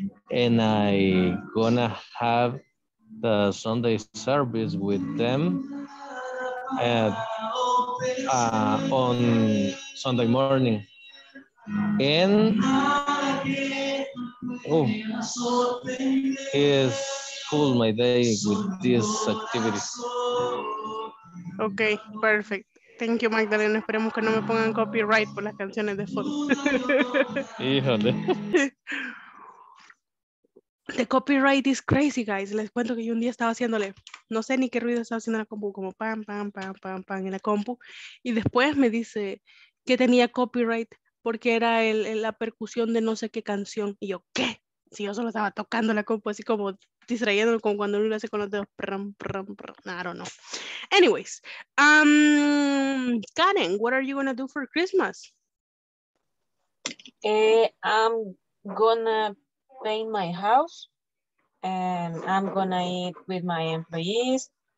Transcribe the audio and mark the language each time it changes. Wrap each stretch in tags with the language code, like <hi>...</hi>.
<en>And I'm gonna have the Sunday service with them on Sunday morning. And oh, it's cool my day with this activity. Okay, perfect. Thank you, Magdalena.</en> <es>Esperemos que no me pongan copyright por las canciones de fondo. Híjole.</es> <en>The copyright is crazy, guys.</en> <es>Les cuento que yo un día estaba haciéndole, no sé ni qué ruido estaba haciendo en la compu, como pam, pam, pam, pam, pam en la compu. Y después me dice que tenía copyright porque era la percusión de no sé qué canción. Y yo, ¿qué? Si yo solo estaba tocando la compu, así como distrayéndolo, como cuando uno lo hace con los dedos.</es> <en>Prum, prum, prum. I don't know. Anyways, Karen, what are you going to do for Christmas? I'm going to paint my house. And I'm going to eat with my employees.</en>